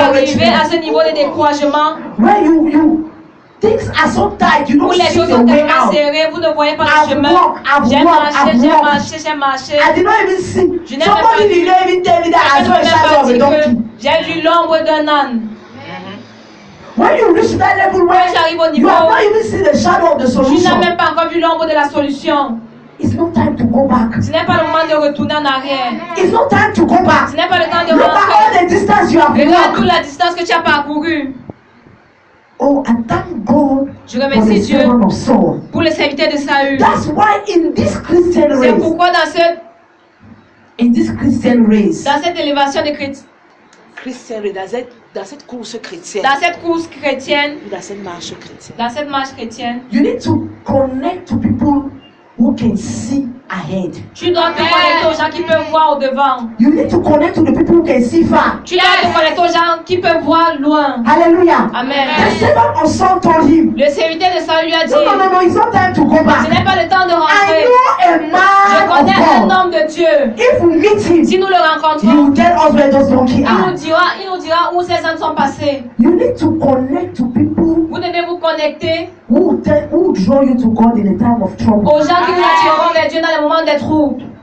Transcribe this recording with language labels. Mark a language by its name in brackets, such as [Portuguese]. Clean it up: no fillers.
[French] Quand vous arrivez à ce niveau de découragement. [English] Where you things are so tight, you don't see your way out. [French] Où les choses sont serrées, vous ne voyez pas le chemin. [English] I've walked. I did not even see. Somebody did not even tell me that I saw a shadow of a donkey. [French] J'ai vu l'ombre d'un âne. [English] When you reach that level where [French] niveau, [English] you have not even seen the shadow of the solution. [French] Tu n'as même pas encore vu l'ombre de la solution. [English] It's not time to go back. [French] Ce n'est pas le moment de retourner en arrière. [English] It's not time to go back. [French] Ce n'est pas le temps de [English] look [French] rentrer. [English] Look at all the distance you have [French] regarde toute la distance que tu as parcourue. [English] Oh, and thank God. [French] Je remercie Dieu pour le serviteur de Saül. [English] That's why in this Christian race. [French] C'est pourquoi dans ce [English] in this Christian race. [French] Dans cette élévation de Christ. [English] Christian race. [French] Dans cette course chrétienne. Dans cette course chrétienne. Dans cette marche chrétienne. Dans cette marche chrétienne. [English] You need to connect to people who can see ahead. [French] Tu dois te connecter aux gens qui peuvent voir au devant. [English] You need to connect to the people who can see far. [French] Tu dois te connecter aux gens qui peuvent voir loin. Hallelujah. Amen. [English] The servant of Saul told him. [French] Le serviteur de Saul lui a dit. [English] No, it's not time to go back. [French] Ce n'est pas le temps de rentrer. [English] I know a man. [French] Je connais [English] of God. [French] Un homme de Dieu. [English] If we meet him, [French] si nous le rencontrons, [English] he will tell us where those donkeys are. [French] Il nous dira où ces hommes sont passés. [English] You need to connect to people. [French] Vous devez vous connecter. [English] Who draw you to God in a time of trouble? [French] Aux gens qui vous attireront vers Dieu dans les moments de troubles.